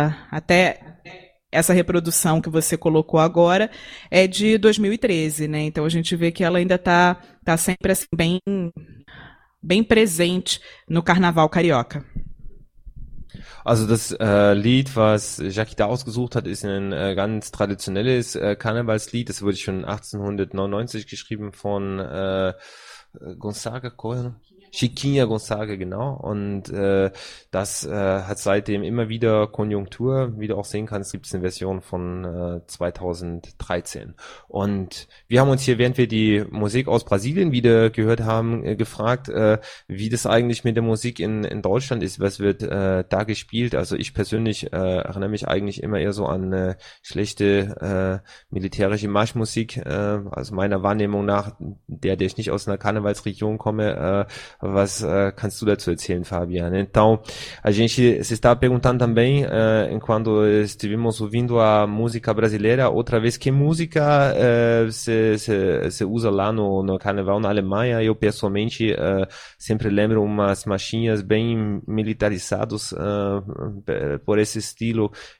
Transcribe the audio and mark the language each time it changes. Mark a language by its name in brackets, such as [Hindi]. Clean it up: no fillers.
[Portuguese] Até essa reprodução que você colocou agora é de 2013, né? Então, a gente vê que ela ainda tá sempre assim, bem, bem presente no carnaval carioca. [German] Also das Lied, was Jackie da ausgesucht hat, ist ein ganz traditionelles Karnevalslied. Das wurde schon 1899 geschrieben von Gonzaga, Cohen? Chiquinha Gonzaga, genau. Und das hat seitdem immer wieder Konjunktur. Wie du auch sehen kannst, gibt es eine Version von 2013. Und wir haben uns hier, während wir die Musik aus Brasilien wieder gehört haben, gefragt, wie das eigentlich mit der Musik in Deutschland ist. Was wird da gespielt? Also ich persönlich erinnere mich eigentlich immer eher so an schlechte militärische Marschmusik. Also meiner Wahrnehmung nach, der ich nicht aus einer Karnevalsregion komme, Kannst du dazu erzählen, Fabian? [Portuguese] Então, a gente se estava perguntando também, enquanto estivemos ouvindo a música brasileira, outra vez, que música se usa lá no carnaval na Alemanha? Eu, pessoalmente, sempre lembro umas marchinhas bem militarizadas por esse estilo.